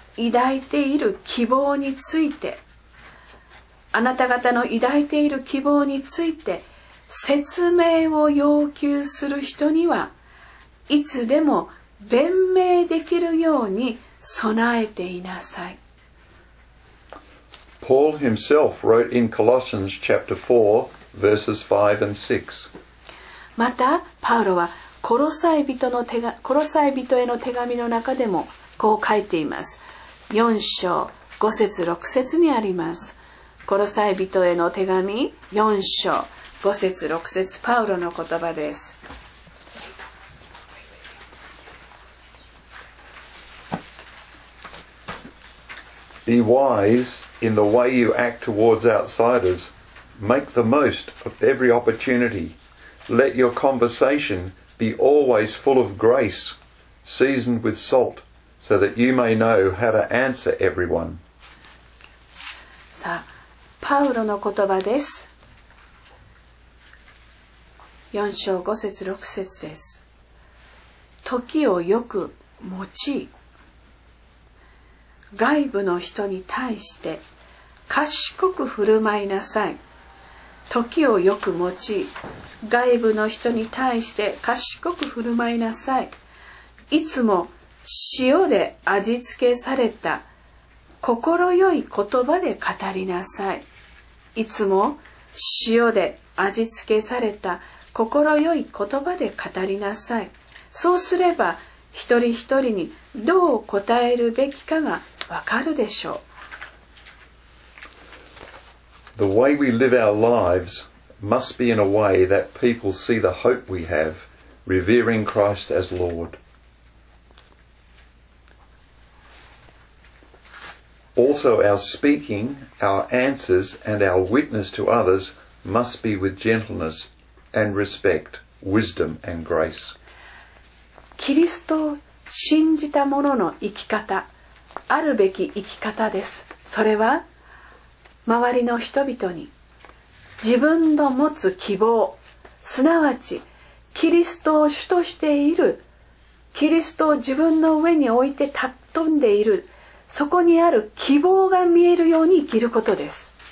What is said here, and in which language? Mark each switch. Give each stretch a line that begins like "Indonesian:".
Japanese: 抱いている希望について、あなた方の抱いている希望について説明を要求する人にはいつでも弁明できるように備えていなさい。
English: Paul himself wrote in Colossians chapter 4 verses 5 and 6.
Japanese: またパウロはコロサイ人の手が、コロサイ人への手紙の中でもこう書いています。 4章5節6節にあります。コロサイ人への手紙4章5節6節、パウロの言葉です。
English: Be wise in the way you act towards outsiders. Make the most of every opportunity. Let your conversation be always full of grace, seasoned with salt, so that you may know how to answer everyone.
Japanese: さあ、パウロの言葉です。 4章5節6節です。時をよく用い、外部の人に対して賢く振る舞いなさい。時をよく用い、外部の人に対して賢く振る舞いなさい。いつも塩で味付けされた心よい言葉で語りなさい。いつも塩で味付けされた心よい言葉で語りなさい。そうすれば一人一人にどう答えるべきかがわかるでしょう。
English: The way we live our lives must be in a way that people see the hope we have, revering Christ as Lord. Also, our speaking, our answers, and our witness to others must be with gentleness and respect, wisdom and grace.
Japanese: キリストを信じた者の生き方、あるべき生き方です。それは周りの人々に自分の持つ希望、すなわちキリストを主としている、キリストを自分の上に置いて尊んでいる、そこにある希望が見えるように生きることです。